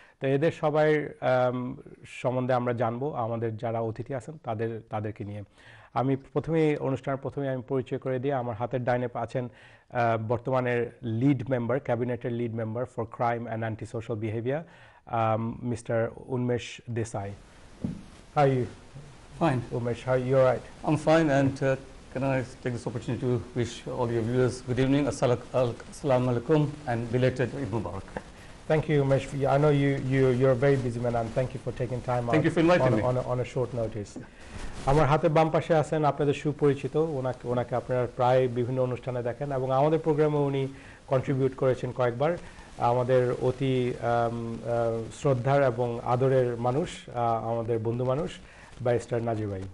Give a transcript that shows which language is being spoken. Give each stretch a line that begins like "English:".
Bangla: তো এদের সবাই সম্বন্ধে আমরা জানবো, আমাদের যারা অতিথি আছেন তাদেরকে নিয়ে। আমি প্রথমেই অনুষ্ঠানের প্রথমেই আমি পরিচয় করে দিই, আমার হাতের ডাইনে আছেন বর্তমানের
English: lead member, ক্যাবিনেটের lead member for crime and anti social behaviour,
Bangla: mister উন্মেষ Desai.
English: Hi Fine. Umesh, how are you? All right. I'm fine, and can I take this opportunity to wish all your viewers good evening, assalamu alaikum, and belated Eid Mubarak. Thank you, Umesh. I know you're a very busy man, and thank you for taking time thank out you for inviting on, me. On a short notice.
Bangla: আমার হাতে বাম পাশে আছেন আপনাদের সুপরিচিত, ওনাকে ওনাকে আপনারা প্রায় বিভিন্ন অনুষ্ঠানে দেখেন, এবং আমাদের প্রোগ্রামে উনি কন্ট্রিবিউট করেছেন কয়েকবার, আমাদের অতি শ্রদ্ধার এবং আদরের মানুষ, আমাদের বন্ধু মানুষ, ব্যারিস্টার নাজির ভাই।